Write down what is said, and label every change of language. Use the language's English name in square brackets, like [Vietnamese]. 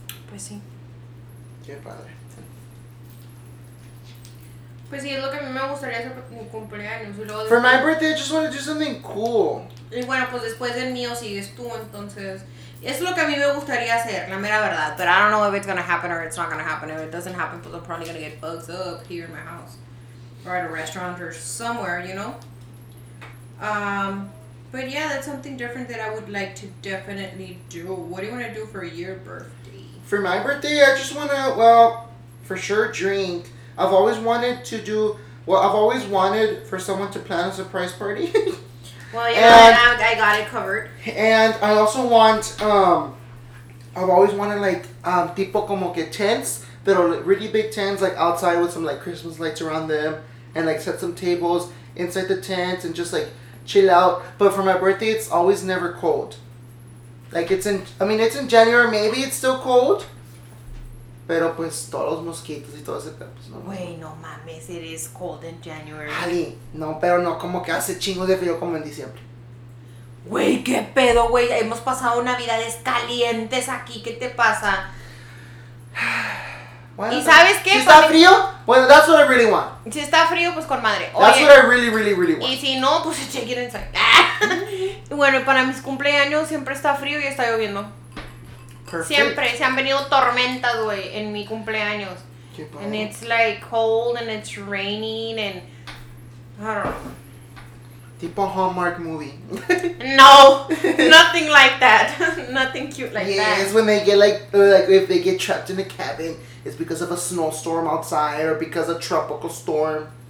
[Spanish] Pues sí. Qué padre. Pues sí, es lo que a mí me gustaría hacer para mi cumpleaños. Luego [English] for my birthday, I just want to do something cool. [Spanish] Y bueno, pues después del mío sigues tú, entonces... Es lo que a mí me gustaría hacer, la mera verdad. [English] But I don't know if it's gonna happen or it's not gonna happen. If it doesn't happen, I'm probably gonna get bugs up here in my house. Or at a restaurant or somewhere, you know? But yeah, that's something different that I would like to definitely do. What do you want to do for your birthday? For my birthday, I just want to, well, for sure, drink. I've always wanted to do, well, I've always wanted for someone to plan a surprise party. Well, yeah, and I got it covered. And I also want, I've always wanted, like, [Spanish] tipo como que [English] tents, that are really big tents, like, outside with some, like, Christmas lights around them, and, like, set some tables inside the tents and just, like, chill out. But for my birthday, it's always never cold. Like, it's in January, maybe it's still cold. [Spanish] Pero pues todos los mosquitos y todo ese pues, [English] no. [Spanish] Wey, no mames, [English] it is cold in January. [Spanish] Ali, no, pero no, como que hace chingos de frío como en diciembre. Wey, qué pedo, wey, hemos pasado navidades calientes aquí, ¿qué te pasa? Bueno, ¿y sabes qué? Si está frío, bueno, [English] that's what I really want. [Spanish] Si está frío, pues con madre. [English] Oye, that's what I really, really, really want. [Spanish] Y si no, pues [English] check it inside. [Spanish] Bueno, para mis cumpleaños siempre está frío y está lloviendo. Perfect. Siempre, se han venido tormentas, güey, en mi cumpleaños. [English] And it's like cold and it's raining and I don't know. [Spanish] Tipo Hallmark movie. [English] No, nothing like that. Nothing cute like yeah, that. Yeah, it's when they get like if they get trapped in a cabin, it's because of a snowstorm outside or because of a tropical storm.